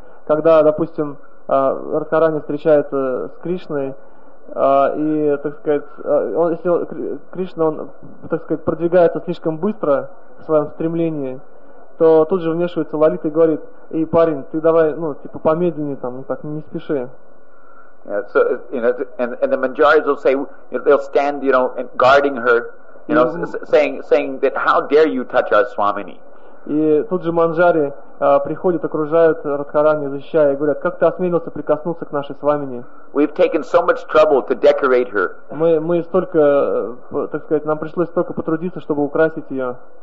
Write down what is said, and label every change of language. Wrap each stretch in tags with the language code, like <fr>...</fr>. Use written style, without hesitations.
<ru>Когда, допустим, Радхарани встречается с Кришной, и, так сказать, если Кришна так сказать, продвигается слишком быстро в своем стремлении, то тут же вмешивается Лалита и говорит: «Эй, парень, ты давай, ну, типа, помедленнее там, так, не спеши».</ru> <en>Yeah, so, you know, and the Manjaris will say, you know, they'll stand, you know, and guarding her, you know, saying that how dare you touch our Swamini.</en> <ru>И тут же Манджари приходят, окружают Радхарани, защищая, и говорят: как ты осмелился прикоснуться к нашей Свамини?</ru> <en>We've taken so much trouble to decorate her.</en> <ru>Мы столько, так сказать, нам пришлось столько потрудиться, чтобы украсить ее.</ru>